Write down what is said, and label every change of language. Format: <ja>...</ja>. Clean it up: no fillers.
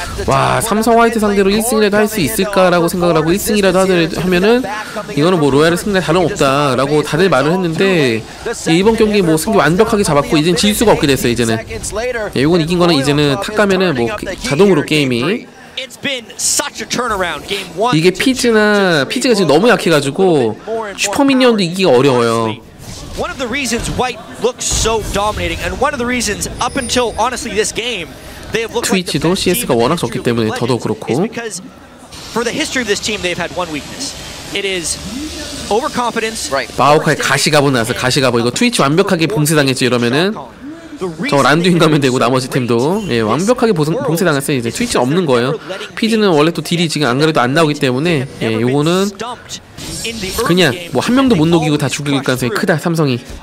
<ko>와, 삼성 화이트 상대로 1승이라도 할 수 있을까라고 생각을 하고 1승이라도 하면은 이거는 뭐 로얄의 승리 다름없다라고 다들 말을 했는데 예, 이번 경기 뭐 승기 완벽하게 잡았고 이제는 질 수가 없게 됐어요 이제는. 예, 이건 이긴 거는 이제는 탁 가면은 뭐 자동으로 게임이.</ko> <en>It's been such a turnaround. Game one.</en> <ko>이게 피즈나 피즈가 지금 너무 약해가지고 슈퍼 미니언도 이기기가 어려워요.</ko> <en>One of the reasons White looks so dominating, and one of the reasons up until honestly this game, they have looked.</en> <ko>트위치도 CS가 워낙 적기 때문에 더더욱 그렇고.</ko> <en>Because for the history of this team, they've had one weakness. It is overconfidence. Right.</en> <ko>마오카의 가시가보 나서 가시가보 이거 트위치 완벽하게 봉쇄당했지 이러면은. 저 란두인 가면 되고 나머지 팀도 예 완벽하게 봉쇄당했어요. 이제 트위치 없는 거예요. 피즈는 원래 또 딜이 지금 안 그래도 안 나오기 때문에 예 요거는 그냥 뭐 한 명도 못 녹이고 다 죽일 가능성이 크다 삼성이.</ko>